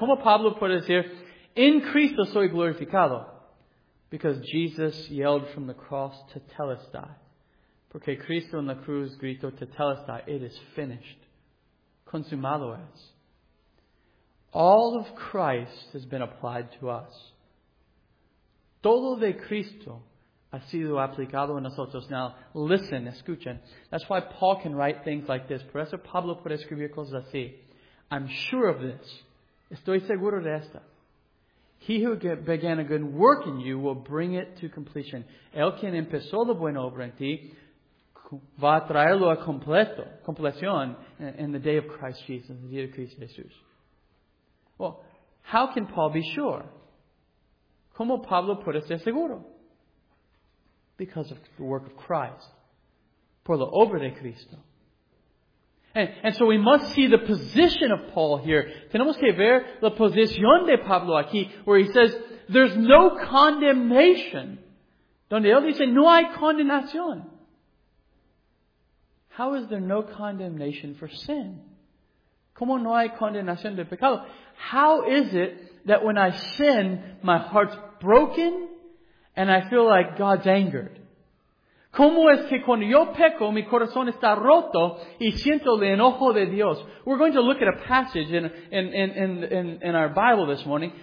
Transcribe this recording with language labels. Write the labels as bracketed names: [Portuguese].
[Spanish] ¿Cómo Pablo puede decir, en Cristo soy glorificado? [English] Because Jesus yelled from the cross, [Spanish] tetelestai. Porque Cristo en la cruz gritó tetelestai, [English] it is finished. [Spanish] Consumado es. [English] All of Christ has been applied to us. [Spanish] Todo de Cristo ha sido aplicado en nosotros. [English] Now, listen, [Spanish] escuchen. [English] That's why Paul can write things like this. [Spanish] Por eso Pablo puede escribir cosas así. [English] I'm sure of this. [Spanish] Estoy seguro de esta. [English] He who began a good work in you will bring it to completion. [Spanish] El quien empezó la buena obra en ti va a traerlo a completo, completion, [English] in the day of Christ Jesus, in the day of Christ Jesus. Well, how can Paul be sure? [Spanish] ¿Cómo Pablo puede ser seguro? [English] Because of the work of Christ. [Spanish] Por la obra de Cristo. [English] And so we must see the position of Paul here. [Spanish] Tenemos que ver la posición de Pablo aquí, [English] where he says, there's no condemnation. [Spanish] Donde él dice, no hay condenación. [English] How is there no condemnation for sin? [Spanish] ¿Cómo no hay condenación de pecado? [English] How is it that when I sin, my heart's broken and I feel like God's angered? [Spanish] ¿Cómo es que cuando yo peco, mi corazón está roto y siento el enojo de Dios? [English] We're going to look at a passage in our Bible this morning.